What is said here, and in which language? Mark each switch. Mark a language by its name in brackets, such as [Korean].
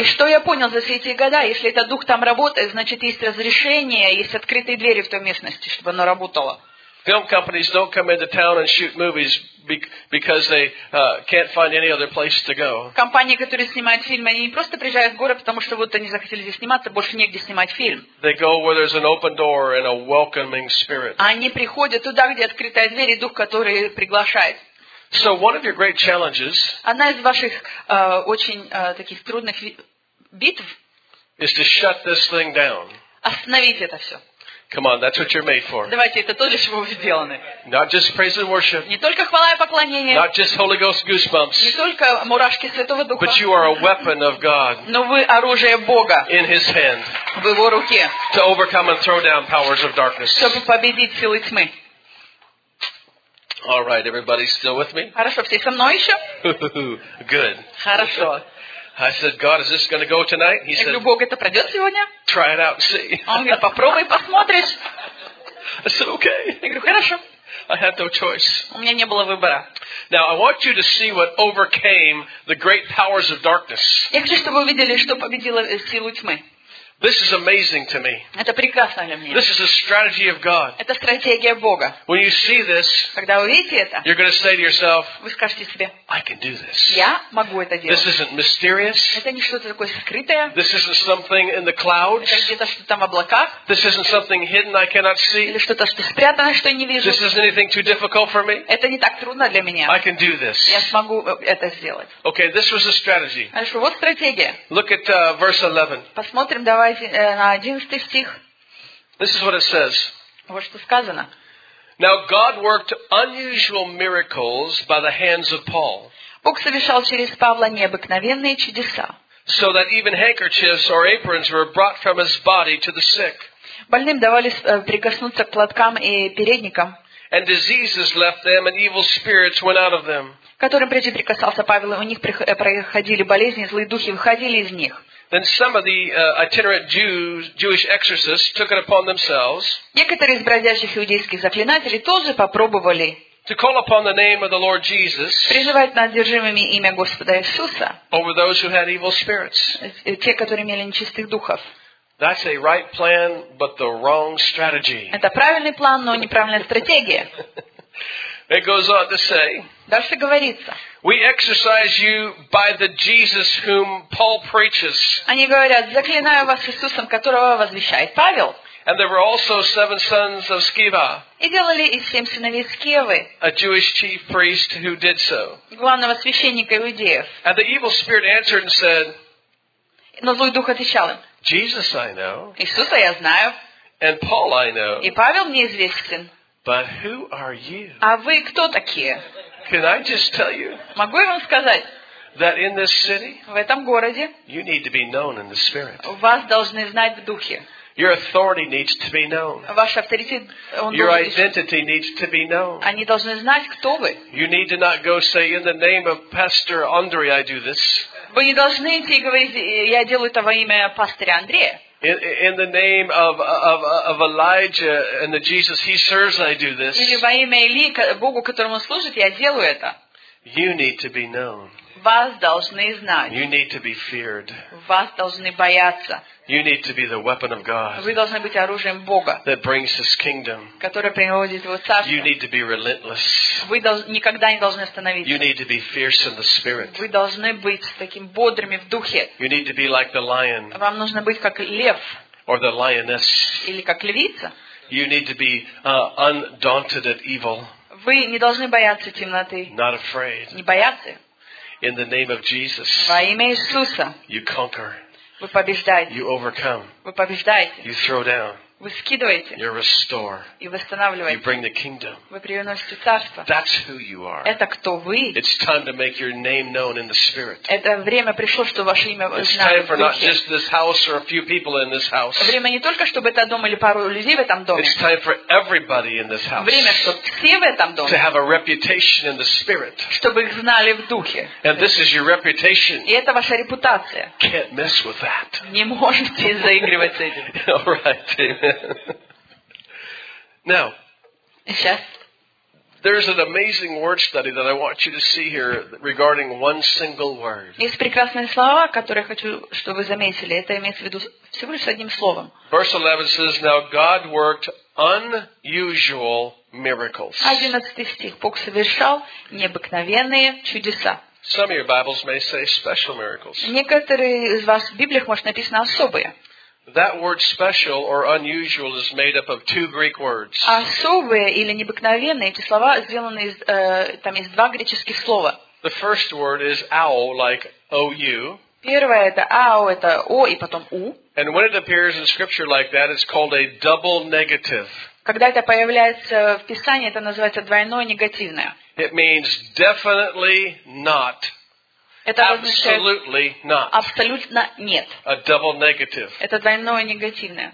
[Russian] И что я понял за все эти года, если этот дух там работает, значит есть разрешение. Есть открытые двери в той местности, чтобы оно работало. [English] Film companies don't come into town and shoot movies because they can't find any other place to go. [Russian] Компании, которые снимают фильмы, они не просто приезжают в город, потому что вот они захотели здесь сниматься, больше негде снимать фильм. [English] They go where there's an open door and a welcoming spirit. [Russian] Они приходят туда, где открытая дверь и дух, который приглашает. [English] So one of your great challenges. [Russian] Одна из ваших очень таких трудных битв. [English] Is to shut this thing down. [Russian] Остановить это все. [English] Come on, that's what you're made for. [Russian] Давайте, это то, для чего вы сделаны. [English] Not just praise and worship. [Russian] Не только хвала и поклонение. [English] Not just Holy Ghost goosebumps. [Russian] Не только мурашки Святого Духа. [English] But you are a weapon of God. [Russian] Но вы оружие Бога. [English] In His hand. [Russian] В Его руке. [English] To overcome and throw down powers of darkness. [Russian] Чтобы победить силы тьмы. [English] All right, everybody still with me? [Russian] Хорошо, все со мной еще? [English] Good. [Russian] Хорошо. [English] I said, God, is this going to go tonight? He said, [Russian] Бог, это пройдет сегодня? [English] Try it out and see. [Russian] Он говорит, попробуй, посмотришь. [English] I said, okay. [Russian] Я говорю, хорошо. [English] I had no choice. [Russian] У меня не было выбора. [English] Now, I want you to see what overcame the great powers of darkness. [Russian] Я хочу, чтобы вы видели, что победило силу тьмы. [English] This is amazing to me. [Russian] Это прекрасно для меня. [English] This is a strategy of God. [Russian] Это стратегия Бога. [English] When you see this, [Russian] когда вы видите это, [English] you're going to say to yourself, [Russian] вы скажете себе, [English] I can do this. [Russian] Я могу это делать. [English] This isn't mysterious. [Russian] Это не что-то такое скрытое. [English] This isn't something in the clouds. [Russian] Это где-то что-то там в облаках. [English] This isn't something hidden I cannot see. [Russian] Или что-то, что спрятано, что я не вижу. [English] This isn't anything too difficult for me. [Russian] Это не так трудно для меня. [English] I can do this. [Russian] Я смогу это сделать. [English] Okay, this was a strategy. [Russian] Хорошо, вот стратегия. [English] Look at verse 11. [Russian] Посмотрим, давай. На 11 стих. [English] This is what it says. [Russian] Вот что сказано. [English] Now God worked unusual miracles by the hands of Paul. [Russian] Бог совершал через Павла необыкновенные чудеса. [English] So that even handkerchiefs or aprons were brought from his body to the sick. [Russian] Больным давали прикоснуться к платкам и передникам. [English] And diseases left them and evil spirits went out of them. [Russian] Которым прежде прикасался Павел, у них проходили болезни, злые духи выходили из них. [English] Then some of the itinerant Jewish exorcists took it upon themselves. [Russian] Некоторые из бродячих иудейских заклинателей тоже попробовали. [English] To call upon the name of the Lord Jesus. [Russian] Призывать над одержимыми имя Господа Иисуса. [English] Over those who had evil spirits. [Russian] Те, которые имели нечистых духов. [English] That's a right plan, but the wrong strategy. [Russian] Это правильный план, но неправильная стратегия. [English] It goes on to say. [Russian] Дальше говорится. [English] We exercise you by the Jesus whom Paul preaches. [Russian] Они говорят, заклинаю вас Иисусом, которого возвещает Павел. [English] And there were also seven sons of Sceva. [Russian] И делали и семь сыновей Скевы. [English] A Jewish chief priest who did so. [Russian] Главного священника иудеев. [English] And the evil spirit answered and said. [Russian] Но злой дух отвечал им. [English] Jesus I know. [Russian] Иисуса я знаю. [English] And Paul I know. [Russian] И Павел мне известен. [English] But who are you? [Russian] А вы кто такие? [English] Can I just tell you? [Russian] Могу я вам сказать? [English] That in this city, [Russian] в этом городе, [English] you need to be known in the spirit. [Russian] Вас должны знать в духе. [English] Your authority needs to be known. [Russian] Ваш авторитет, он [English] Your identity needs to be known. [Russian] Они должны знать, кто вы. [English] You need to not go say in the name of Pastor Andre I do this. [Russian] Вы не должны идти и говорить, я делаю это во имя пастора Андрея. [English] In the name of Elijah and the Jesus he serves, I do this. [Russian] Или во имя Илии, Богу, которому служит, я делаю это. [English] You need to be known. [Russian] Вас должны знать. [English] You need to be feared. [Russian] Вас должны бояться. [English] You need to be the weapon of God. [Russian] Вы должны быть оружием Бога. [English] That brings His kingdom. [Russian] Которое приводит Его царство. [English] You need to be relentless. [Russian] Вы никогда не должны остановиться. [English] You need to be fierce in the spirit. [Russian] Вы должны быть таким бодрыми в духе. [English] You need to be like the lion. [Russian] Вам нужно быть как лев. [English] Or the lioness. [Russian] Или как львица. [English] You need to be undaunted at evil. [Russian] Вы не должны бояться темноты. [English] Not afraid. [Russian] Не бояться. [English] In the name of Jesus. [Russian] Во имя Иисуса. [English] You conquer. [Russian] Вы побеждаете. [English] You overcome. [Russian] Вы побеждаете. [English] You throw down. [Russian] Вы скидываете. [English] You restore. [Russian] И восстанавливаете. [English] You bring the kingdom. [Russian] Вы приносите царство. [English] That's who you are. [Russian] Это кто вы. [English] It's time to make your name known in the spirit. [Russian] Это время пришло, чтобы ваше имя знали в духе. [English] It's time for not just this house or a few people in this house. [Russian] Время не только чтобы это дом или пару людей в этом доме. [English] It's time for everybody in this house. [Russian] Время, чтобы все в этом доме. [English] To have a reputation in the spirit. [Russian] Чтобы их знали в духе. [English] And this is your reputation. [Russian] И это ваша репутация. [English] Can't mess with that. [Russian] Не можете заигрывать с этим. [English] All right. Now, there's an amazing word study that I want you to see here regarding one single word. [Russian] Есть прекрасные слова, которые я хочу, чтобы вы заметили. Это имеется в виду всего лишь одним словом. [English] Verse 11 says, "Now God worked unusual miracles." [Russian] 11 стих. Бог совершал необыкновенные чудеса. [English] Some of your Bibles may say special miracles. [Russian] Некоторые из вас в Библиях может написано особые. [English] That word special or unusual is made up of two Greek words. [Russian] Особые или необыкновенные, эти слова сделаны из там есть два греческих слова. [English] The first word is ao, like ou. [Russian] Первое это ao, это о и потом у. [English] And when it appears in scripture like that, it's called a double negative. [Russian] Когда это появляется в Писании, это называется двойное негативное. [English] It means definitely not. [Russian] Это означает, [English] absolutely not. [Russian] Абсолютно нет. [English] A double negative. [Russian] Это двойное негативное.